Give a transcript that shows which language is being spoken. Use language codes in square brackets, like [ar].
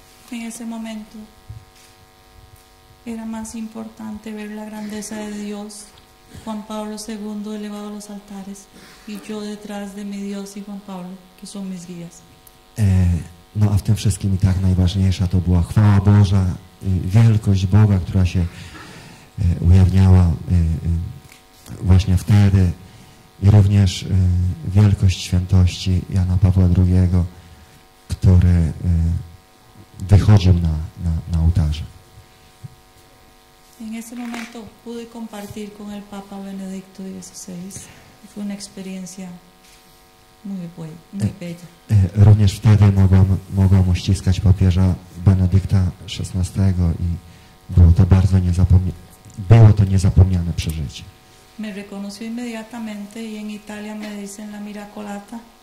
[es] En ese momento era más importante ver la grandeza de Dios, Juan Pablo II elevado a los altares y yo detrás de mi Dios y Juan Pablo, que son mis guías. [pl] No a w tym wszystkim i tak najważniejsza to była chwała Boża, wielkość Boga, która się ujawniała właśnie wtedy i również wielkość świętości Jana Pawła II, który wychodził na ołtarze. [es] En ese momento pude compartir con el Papa Benedicto XVI. Fue una experiencia muy buena, muy bella. [pl] Również wtedy mogłem uściskać papieża Benedykta XVI i było to niezapomniane przeżycie. [es] Me reconoció inmediatamente y en Italia me dicen la Miracolata.